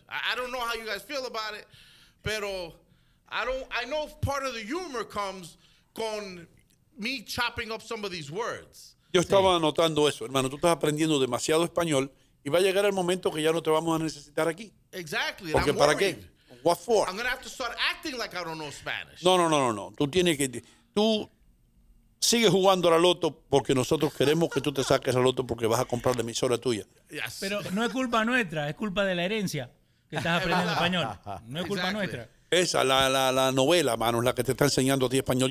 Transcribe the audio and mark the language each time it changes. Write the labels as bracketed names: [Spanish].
[English] I don't know how you guys feel about it, [Spanish] pero [English] I know part of the humor comes [Spanish] con [English] me chopping up some of these words. [Spanish] Yo estaba anotando eso, hermano. Tú estás aprendiendo demasiado español y va a llegar el momento que ya no te vamos a necesitar aquí. [English] Exactly. [Spanish] Porque ¿para qué? [English] What for? I'm going to have to start acting like I don't know Spanish. [Spanish] No. Tú tienes que... Tú sigue jugando a la loto porque nosotros queremos que tú te saques a la loto porque vas a comprar la emisora tuya. [English] Yes. [Spanish] Pero no es culpa nuestra, es culpa de la herencia que estás aprendiendo español. No es culpa nuestra. Esa, la novela, mano, es la que te está enseñando a ti español.